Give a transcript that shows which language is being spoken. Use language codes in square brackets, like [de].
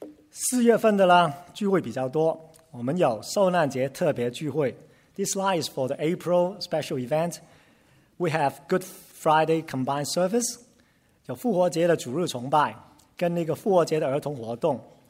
[zh] 四月份的啦，聚会比较多。我们有受难节特别聚会。 [en] This slide is for the April special event. We have Good Friday combined service. [zh] 有复活节的主日崇拜，跟那个复活节的儿童活动。